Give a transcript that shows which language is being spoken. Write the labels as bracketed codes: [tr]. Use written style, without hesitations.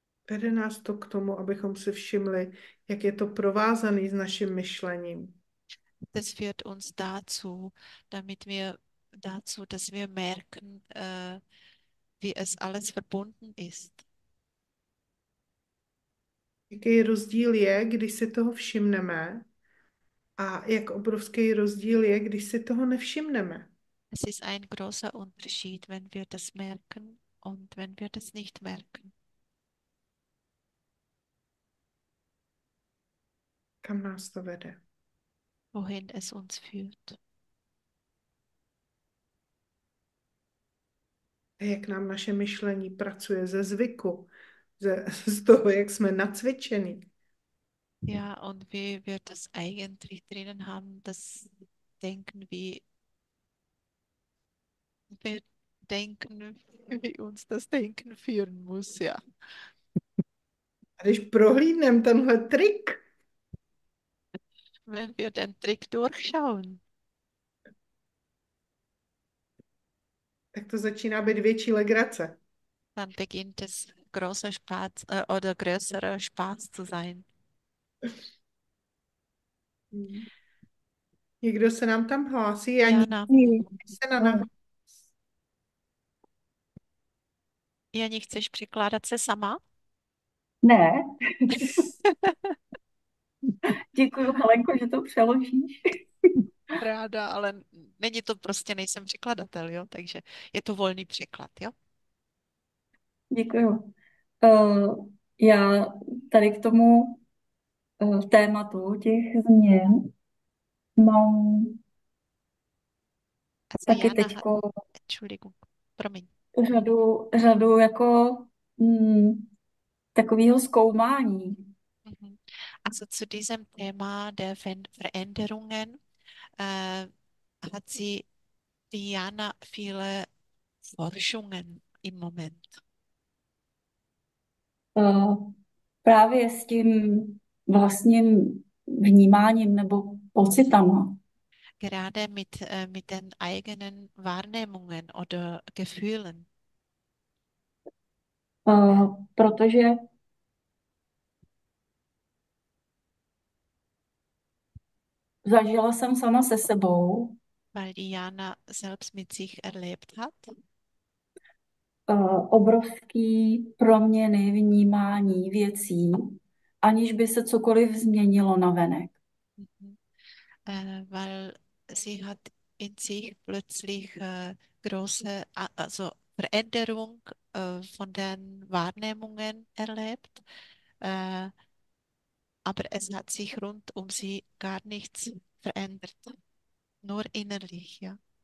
[cs] Vede nás to k tomu, abychom si všimli, jak je to provázané s naším myšlením. [de] Das führt uns dazu, dass wir merken, wie es alles verbunden ist. [cs] Jaký rozdíl je, když si toho všimneme a jak obrovský rozdíl je, když si toho nevšimneme. [de] Es ist ein großer Unterschied, wenn wir das merken und wenn wir das nicht merken. [cs] Kam nás to vede? [de] Wohin es uns führt. [cs] A jak nám naše myšlení pracuje ze zvyku? Z toho, jak jsme nacvičení. [de] Ja, und wie wir das eigentlich drinnen haben, das denken, wie wir denken, wie uns das Denken führen muss, ja. [cs] A když prohlídneme tenhle trik, [de] Wenn wir den Trick durchschauen. [cs] tak to začíná být větší legrace. [de] Dann beginnt es größerer Spaß zu sein. [cs] Někdo se nám tam hlásí, ani Jana. se na nás. Oh. Jani, chceš překládat se sama? Ne. Děkuji, Helenko, že to přeložíš. Ráda, ale není to prostě, nejsem překladatel, jo, takže je to volný překlad, jo. Děkuji. Já tady k tomu tématu těch změn mám [de] Also [cs] taky Jana, teďko [de] Entschuldigung, [cs] promiň. řadu jako takového zkoumání. [de] Also zu diesem Thema der Veränderungen hat sie Diana viele Forschungen im Moment? [cs] Právě s tím vlastním vnímáním nebo pocitama. [de] Gerade mit den eigenen Wahrnehmungen oder Gefühlen. [cs] Protože [de] Ja. [cs] Zažila jsem sama se sebou. [de] Weil die Jana selbst mit sich erlebt hat. [cs] Obrovský proměny vnímání věcí, aniž by se cokoliv změnilo navenek. [de] Weil sie hat in sich plötzlich große also Veränderung von den Wahrnehmungen erlebt, aber es hat sich rund um sie gar nichts verändert, nur innerlich, ja.